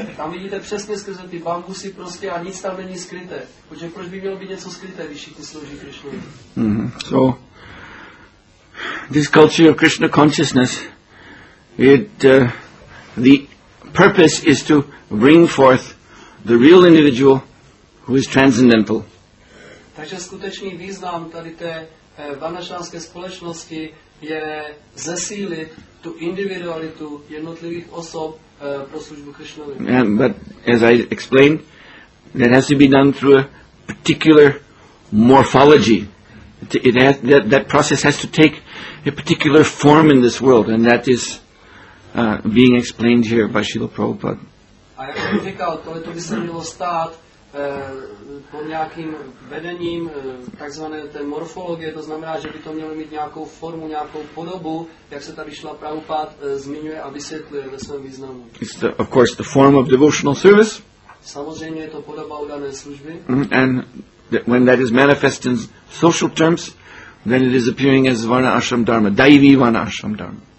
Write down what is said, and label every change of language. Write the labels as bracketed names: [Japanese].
[Czech] Tam vidíte přesně skrze ty bambusy prostě a nic tam není skryté. Protože proč by mělo být něco skryté, když všichni slouží Krišnovi? [English] So, this culture of Krishna consciousness, the purpose is to bring forth the real individual who is transcendental. [Czech] Takže skutečný význam tady té vanašánské společnosti je zesílit tu individualitu jednotlivých osob pro službu Krišnovi. [English] But as I explained, that has to be done through a particular morphology. That process has to take a particular form in this world, and that is being explained here by Srila Prabhupada. [Czech] A jak jsem říkal, tohleto by se mělo stát pod nějakým vedením takzvané té morfologie, to znamená, že by to mělo mít nějakou formu, nějakou podobu, jak se tady Srila Prabhupada zmiňuje a vysvětluje ve svém významu. [English] It's the, of course, the form of devotional service. [Czech] Samozřejmě je to podoba udané služby. [English] And when that is manifest in social terms, then it is appearing as Varna Ashram Dharma, Daivi Varna Ashram Dharma.